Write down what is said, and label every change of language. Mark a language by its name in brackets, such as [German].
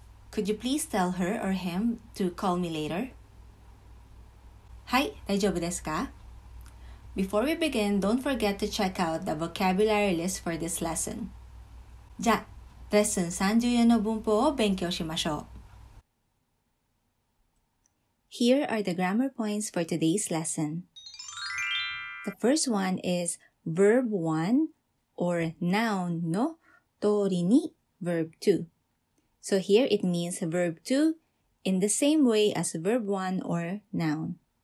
[English] Could you please tell her or him to call me later? [Japanese] はい、大丈夫ですか? [English] Before we begin, don't forget to check out the vocabulary list for this lesson. [Japanese] じゃあ、レッスン34の文法を勉強しましょう。 [English] Here are the grammar points for today's lesson. The first one is verb 1 or noun の通りに verb 2. So here it means verb 2 in the same way as verb 1 or noun.